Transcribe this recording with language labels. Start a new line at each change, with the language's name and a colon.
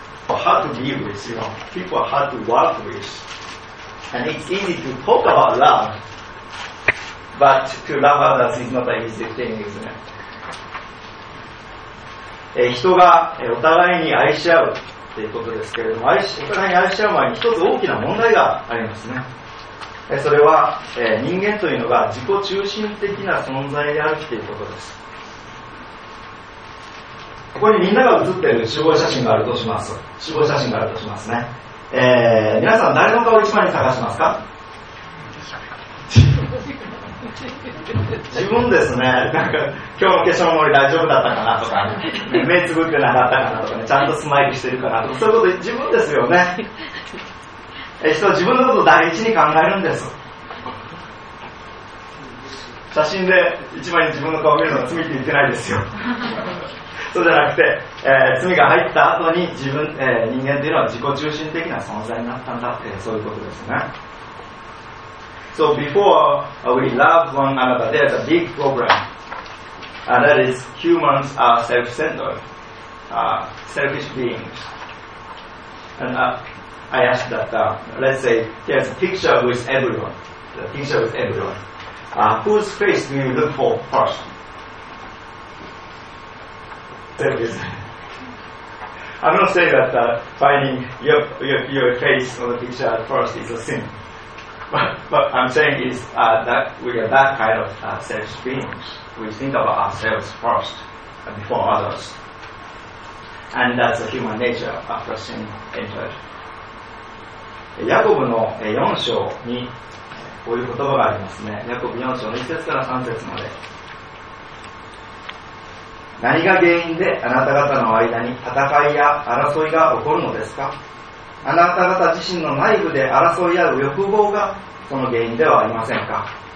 English: Hard to deal with, you know. People are hard to work with. And it's easy to talk about love, but to love others is not an easy thing, isn't it?
Japanese: 人がお互いに愛し合うということですけれども、お互いに愛し合う前に一つ大きな問題がありますね。それは、人間というのが自己中心的な存在であるということです。ここにみんなが写っている集合写真があるとします。集合写真があるとしますね、皆さん誰の顔を一番に探しますか。自分ですね。なんか今日の化粧盛り大丈夫だったかなとか、ね、目つぶってなかったかなとか、ね、ちゃんとスマイルしてるかなとか、そういうこと自分ですよね。人は自分のことを第一に考えるんです。写真で一番に自分の顔を見るのは罪って言ってないですよ。そうじゃなくて、罪が入った後に自分、人間というのは自己中心的な存在になったんだって、そういうことですね。
English: So before we love one another, there's a big problem, and that is humans are self-centered, selfish beings. AndI asked that, let's say, there's a picture with everyone. The picture with everyone. Whose face do you look for first? I'm not saying that finding your face on the picture first is a sin. But I'm saying is that we are that kind of selfish beings. We think about ourselves first before others. And that's the human nature after sin entered.
Japanese: ヤコブの4章にこういう言葉がありますね。ヤコブ4章の1節から3節まで、何が原因であなた方の間に戦いや争いが起こるのですか？あなた方自身の内部で争い合う欲望がその原因ではありませんか？